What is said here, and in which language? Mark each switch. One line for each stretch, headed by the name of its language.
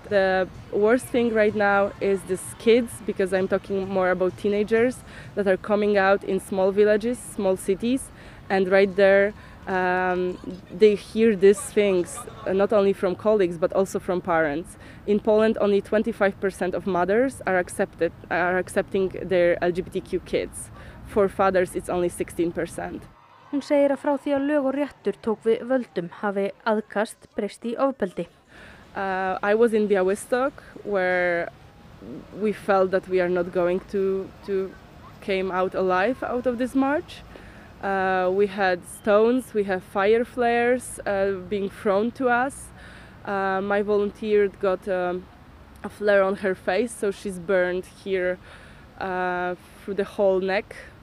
English: The worst thing right now is this kids, because I'm talking more about teenagers that are coming out in small villages, small cities, and right there They hear these things not only from colleagues but also from parents. In Poland, only 25% of mothers are accepting their LGBTQ kids. For fathers, it's only 16%.
Icelandic: Hún segir að frá því að lög og réttur tók við völdum hafi aðkast breyst í ofbeldi.
English: I was in Białystok where we felt that we are not going to came out alive out of this march. We had stones, we have fire flares being thrown to us. My volunteer got a flare on her face, so she's burned here through the whole neck.